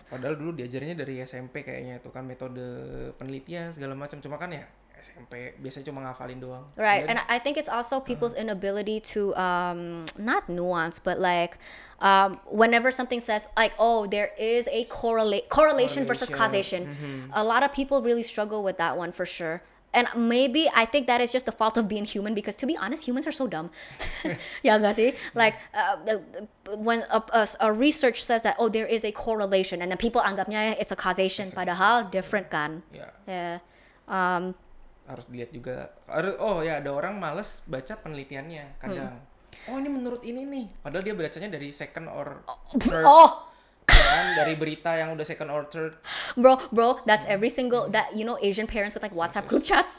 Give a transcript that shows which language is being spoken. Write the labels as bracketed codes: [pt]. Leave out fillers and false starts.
[id] Padahal dulu diajarnya dari SMP kayaknya itu kan, metode penelitian segala macam. Cuma kan ya SMP biasanya cuma ngafalin doang. [en] Right, and I think it's also people's inability to, not nuance, but like, whenever something says like, oh, there is a correlation versus causation. A lot of people really struggle with that one for sure. And maybe I think that is just the fault of being human, because to be honest, humans are so dumb. Yeah, [id] gak sih? [en] Like, when a research says that, oh, there is a correlation, and then people [id] anggapnya [en] it's a causation, [id] padahal [en] different [id] kan. Harus dilihat juga. Oh ya, ada orang malas baca penelitiannya kadang. Oh, ini menurut ini nih, padahal dia bacanya dari [en] second or third. [id] Kan dari berita yang udah [en] second or third. Bro, that's every single, that you know, Asian parents with like WhatsApp group chats.